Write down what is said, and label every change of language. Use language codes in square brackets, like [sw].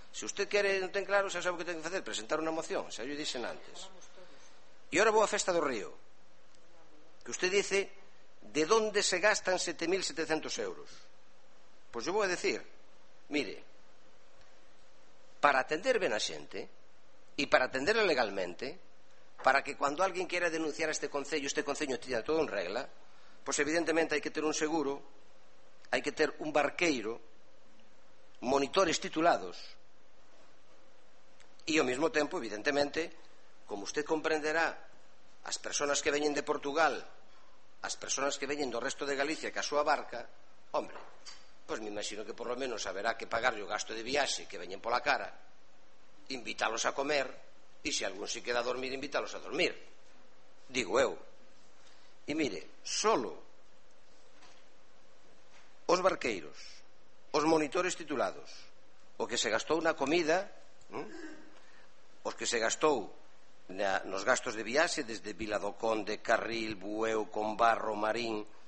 [gl] Se usted quere, non ten claro, xa sabe o que ten que facer, presentar unha moción, xa lle dixen antes. E ora vou á festa do río. Que usted dice... [es] ¿De dónde se gastan 7.700 euros? Pues yo voy a decir, mire, para atender [gl] ben a xente [es] y para atenderla legalmente, para que cuando alguien quiera denunciar a este concello tira todo en regla, pues evidentemente hay que tener un seguro, hay que tener un barqueiro, monitores titulados. Y, al mismo tiempo, evidentemente, como usted comprenderá, las personas que vienen de Portugal, las personas que vienen del resto de Galicia, que a su barca, hombre, pues me imagino que por lo menos habrá que pagar yo gasto de viaje, que vienen por la cara, invitarlos a comer, y si algún se queda a dormir, invitarlos a dormir. [gl] Digo eu. [es] Y mire, [gl] solo os barqueiros, os monitores titulados, o que se gastou na comida, os que se gastou nos gastos de viaxe desde Vila do Conde, Carril, Bueu, Combarro, Marín,